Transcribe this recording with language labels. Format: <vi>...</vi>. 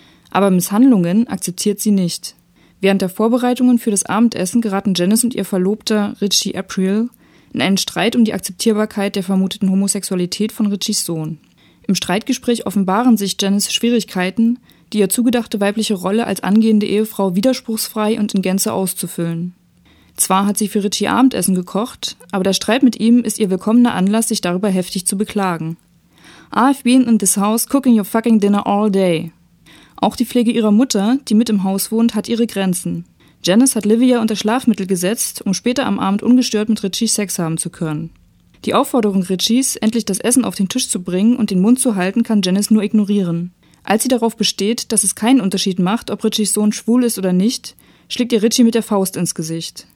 <de>Aber Misshandlungen akzeptiert sie nicht. Während der Vorbereitungen für das Abendessen geraten Janice und ihr Verlobter Richie April in einen Streit um die Akzeptierbarkeit der vermuteten Homosexualität von Richies Sohn. Im Streitgespräch offenbaren sich Janice Schwierigkeiten, die ihr zugedachte weibliche Rolle als angehende Ehefrau widerspruchsfrei und in Gänze auszufüllen. Zwar hat sie für Richie Abendessen gekocht, aber der Streit mit ihm ist ihr willkommener Anlass, sich darüber heftig zu beklagen.</de> <en>I've been in this house cooking your fucking dinner all day.</en> <de>Auch die Pflege ihrer Mutter, die mit im Haus wohnt, hat ihre Grenzen. Janice hat Livia unter Schlafmittel gesetzt, um später am Abend ungestört mit Richie Sex haben zu können. Die Aufforderung Richies, endlich das Essen auf den Tisch zu bringen und den Mund zu halten, kann Janice nur ignorieren. Als sie darauf besteht, dass es keinen Unterschied macht, ob Richies Sohn schwul ist oder nicht, schlägt ihr Richie mit der Faust ins Gesicht.</de>